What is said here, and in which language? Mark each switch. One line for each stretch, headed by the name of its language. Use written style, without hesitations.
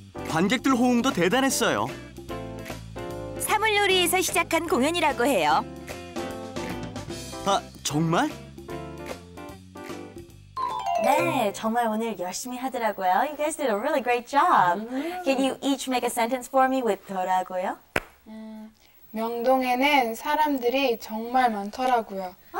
Korean: 관객들 호응도 대단했어요. 사물놀이에서 시작한 공연이라고 해요. 아, 정말? 네, 정말 오늘 열심히 하더라고요.
English: You guys did a really great job. Can you each make a sentence for me with 더라고요?
Korean: 명동에는 사람들이 정말 많더라고요.